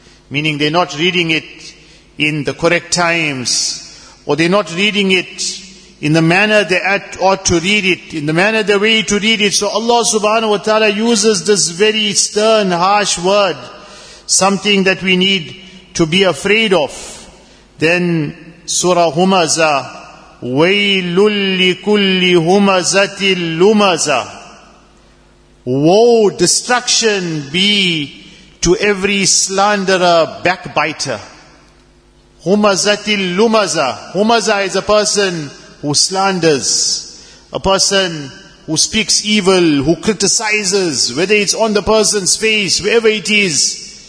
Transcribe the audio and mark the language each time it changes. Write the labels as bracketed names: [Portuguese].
[English] Meaning they're not reading it in the correct times, or they're not reading it in the manner they ought to read it, in the manner, the way to read it. So Allah subhanahu wa ta'ala uses this very stern, harsh word, something that we need to be afraid of. Then Surah Humaza, [Arabic] وَيْلٌ لِكُلِّ هُمَزَةِ الْلُمَزَ. [English] Woe, destruction be to every slanderer, backbiter. [Arabic] هُمَزَةِ الْلُمَزَ. [English] Humaza is a person who slanders, a person who speaks evil, who criticizes, whether it's on the person's face, wherever it is.